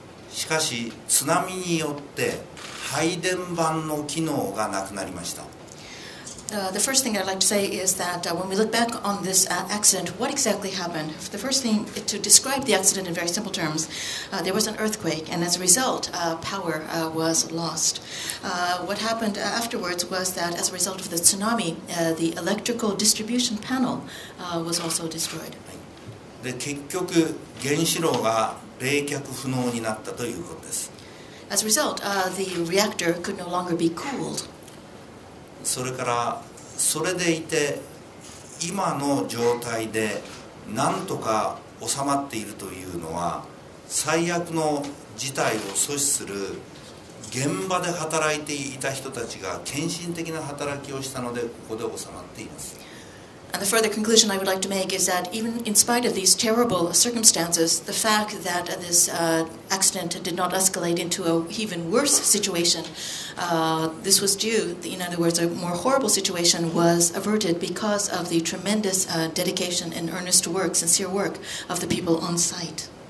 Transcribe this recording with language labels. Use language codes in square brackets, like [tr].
[ja] しかし津波によって配電盤の機能がなくなりました。 [en] The first thing I'd like to say is that when we look back on this accident, what exactly happened? The first thing, to describe the accident in very simple terms, there was an earthquake, and as a result, power was lost. What happened afterwards was that as a result of the tsunami, the electrical distribution panel was also destroyed. As a result, the reactor could no longer be cooled. [ja] それからそれでいて今の状態でなんとか収まっているというのは最悪の事態を阻止する現場で働いていた人たちが献身的な働きをしたのでここで収まっています。 [en] And the further conclusion I would like to make is that even in spite of these terrible circumstances, the fact that this accident did not escalate into an even worse situation, this was due, in other words, a more horrible situation was averted because of the tremendous dedication and earnest work, sincere work of the people on site.